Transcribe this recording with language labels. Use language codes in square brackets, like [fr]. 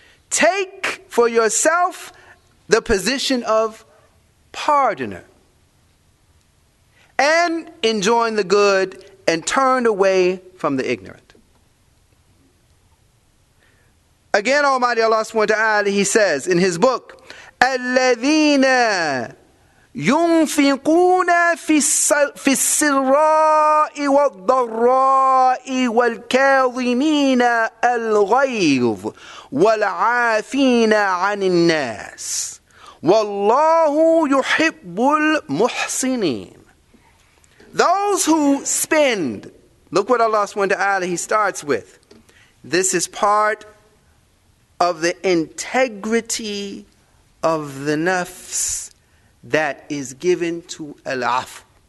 [en] Take for yourself the position of pardoner. And enjoin the good and turn away from the ignorant. Again, Almighty Allah subhanahu wa ta'ala, he says in his book, [ar] الَّذِينَ ينفقون في السراء والضراء والكاظمين الغيظ والعافين عن الناس والله يحب المحسنين. [en] Those who spend, look what Allah subhanahu wa ta'ala, he starts with. This is part of the integrity of the nafs that is given to al-af.